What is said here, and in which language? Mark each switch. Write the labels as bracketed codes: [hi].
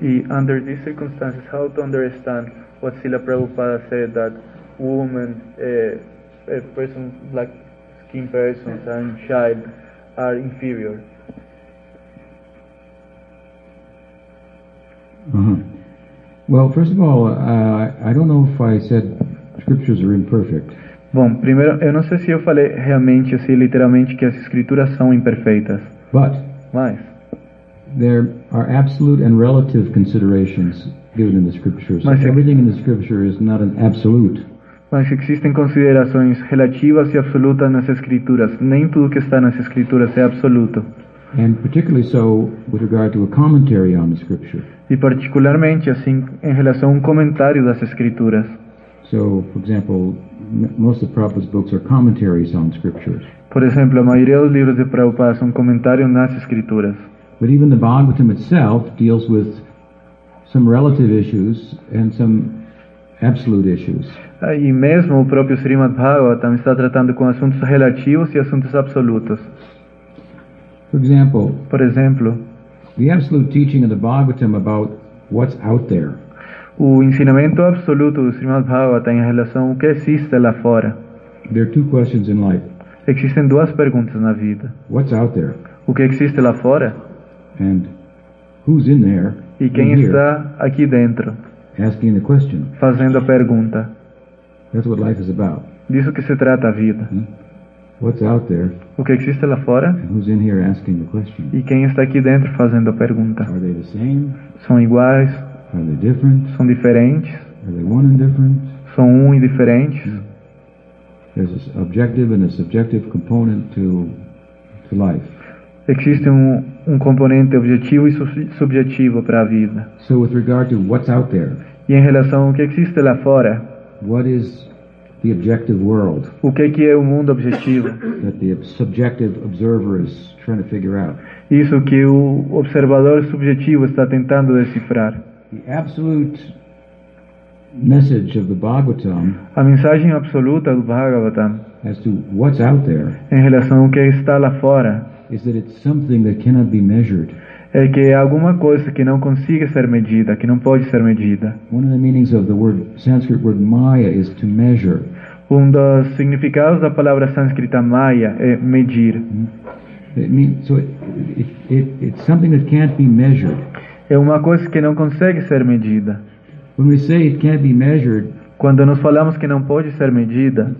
[en] Under these circumstances, how to understand what Srila Prabhupada said that women, a person, black skin persons and child are inferior? Well, first of all, I don't know if I said scriptures are imperfect. [pt] Bom, primeiro, eu não sei se eu falei realmente, assim, literalmente, que as escrituras são imperfeitas. [en] But [pt] mas [en] there are absolute and relative considerations given in the scriptures. Mas everything in the scripture is not an absolute. [pt] Mas existem considerações relativas e absolutas nas escrituras. Nem tudo que está nas escrituras é absoluto. [en] And particularly so with regard to a commentary on the scripture. [pt] E particularmente assim em relação a comentário das escrituras. [en] So, for example, most of Prabhupada's books are commentaries on scriptures. [pt] Por exemplo, a maioria dos livros de Prabhupada são comentários nas escrituras. [en] But even the Bhagavatam itself deals with some relative issues and some absolute issues. [pt] E mesmo o próprio Srimad Bhagavatam está tratando com assuntos relativos e assuntos absolutos. [en] For example, the absolute teaching of the Bhagavatam about what's out there. [pt] o ensinamento absoluto do Srimad Bhagavata em relação ao que existe lá fora. [en] There are two questions in life. [pt] Existem duas perguntas na vida. [en] What's out there? [pt] O que existe lá fora? [en] And who's in there? [pt] E quem está aqui dentro? [en] Asking the question. [pt] Fazendo a pergunta. [en] That's what life is about. [pt] Disso que se trata a vida. [en] What's out there? [pt] O que existe lá fora? [en] And who's in here asking the question? [pt] E quem está aqui dentro fazendo a pergunta? [en] Are they the same? [pt] São iguais? [en] Are they different? [pt] São diferentes? [en] Are they one and different? [pt] São um e diferentes? [en] There's an objective and a subjective component to life. [pt] Existe um componente objetivo e subjetivo para a vida. [en] So with regard to what's out there, [pt] e em relação ao que existe lá fora, [en] what is the objective world, [pt] o que é o mundo objetivo, [en] that the subjective observer is trying to figure out. [pt] Isso que o observador subjetivo está tentando decifrar. [en] The absolute message of the Bhagavatam, [pt] a mensagem absoluta do Bhagavatam, [en] as to what's out there, [pt] em relação ao que está lá fora, [en] is that it's something that cannot be measured. [pt] É que é alguma coisa que não consiga ser medida, que não pode ser medida. [en] One of the meanings of the word, Sanskrit word maya is to measure. [pt] Um dos significados da palavra sânscrita maya é medir. [en] It's something that can't be measured. [pt] É uma coisa que não consegue ser medida. [en] When we say it can't be measured, [pt] quando nós falamos que não pode ser medida,